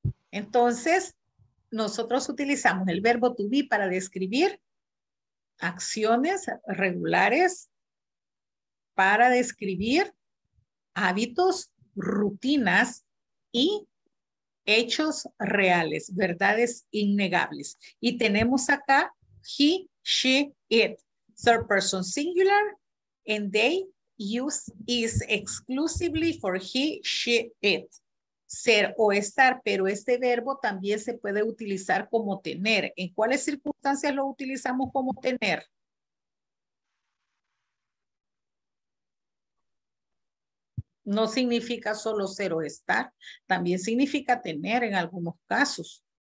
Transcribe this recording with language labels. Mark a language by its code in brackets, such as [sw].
[es] Entonces, nosotros utilizamos el verbo to be para describir acciones regulares, para describir hábitos, rutinas y hechos reales, verdades innegables. Y tenemos acá [en] he, she, it, third person singular, and they use is exclusively for he, she, it. [es] Ser o estar, pero este verbo también se puede utilizar como tener. ¿En cuáles circunstancias lo utilizamos como tener? No significa solo ser o estar, también significa tener en algunos casos.